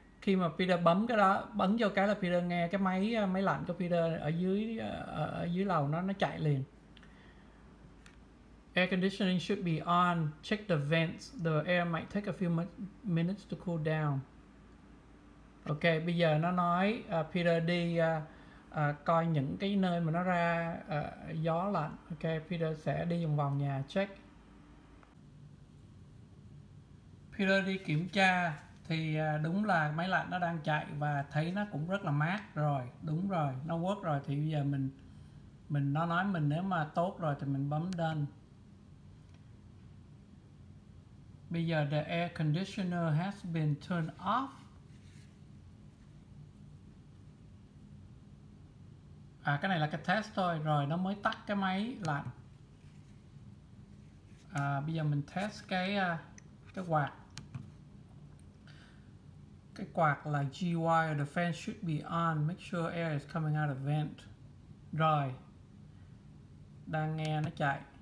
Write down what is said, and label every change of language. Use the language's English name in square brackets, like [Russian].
[Vietnamese] Khi mà Peter bấm cái đó, bấm vô cái là Peter nghe cái máy lạnh của Peter ở dưới lầu nó chạy liền. [English] Air conditioning should be on. Check the vents. The air might take a few minutes to cool down. [Vietnamese] Ok, bây giờ nó nói Peter đi coi những cái nơi mà nó ra gió lạnh. Ok, Peter sẽ đi vòng vòng nhà check. Peter đi kiểm tra thì đúng là máy lạnh nó đang chạy và thấy nó cũng rất là mát rồi. Đúng rồi, nó work rồi. Thì bây giờ mình nó nói mình nếu mà tốt rồi thì mình bấm done. Bây giờ [English] the air conditioner has been turned off. [Vietnamese] À, cái này là cái test thôi, rồi nó mới tắt cái máy lạnh. À, bây giờ mình test cái quạt. Cái quạt là [English] GY, the fan should be on, make sure air is coming out of vent. [Vietnamese] Rồi, đang nghe nó chạy.